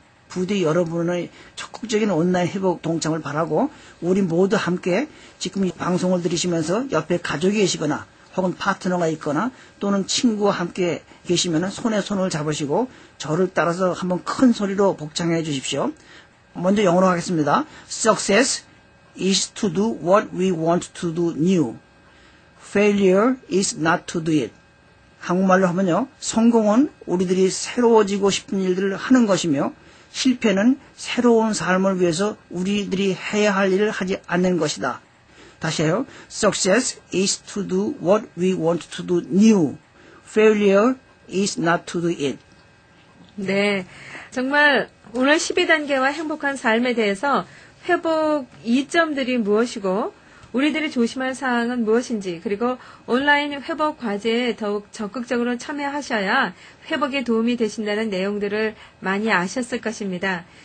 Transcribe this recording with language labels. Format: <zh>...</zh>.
<ko>부디 여러분의 적극적인 온라인 회복 동참을 바라고 우리 모두 함께 지금 방송을 들으시면서 옆에 가족이 계시거나 혹은 파트너가 있거나 또는 친구와 함께 계시면 손에 손을 잡으시고 저를 따라서 한번 큰 소리로 복창해 주십시오. 먼저 영어로 하겠습니다.</ko> <en>Success is to do what we want to do new. Failure is not to do it.</en> <ko>한국말로 하면요. 성공은 우리들이 새로워지고 싶은 일들을 하는 것이며 실패는 새로운 삶을 위해서 우리들이 해야 할 일을 하지 않는 것이다. 다시 해요.</ko> <en>Success is to do what we want to do new. Failure is not to do it.</en> <ko>네. 정말 오늘 12단계와 행복한 삶에 대해서 회복 이점들이 무엇이고 우리들이 조심할 사항은 무엇인지 그리고 온라인 회복 과제에 더욱 적극적으로 참여하셔야 회복에 도움이 되신다는 내용들을 많이 아셨을 것입니다.</ko>